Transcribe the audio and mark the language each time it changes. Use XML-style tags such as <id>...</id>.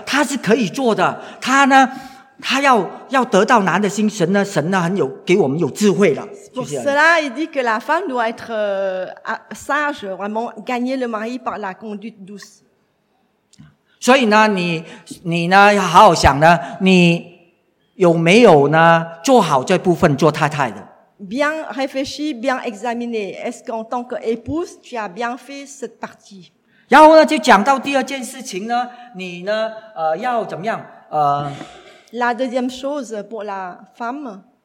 <zh>所以呢,他说呢,女呢是比较doué的,她是可以做的,她呢, 她要得到男的心,神呢, 神呢很有,给我们有智慧的。</zh> <fr>Pour cela, il dit que la femme doit être sage, vraiment gagner le mari par la conduite douce.</fr> <zh>所以呢,你呢,要好好想呢,你有没有呢,做好这部分做太太的?</zh> <fr>Bien réfléchi, bien examiné. Est-ce qu'en tant qu'épouse, tu as bien fait cette partie?</fr> <zh>然后呢,就讲到第二件事情呢,你呢,要怎么样?</zh> <fr>La deuxième chose pour la femme,</fr>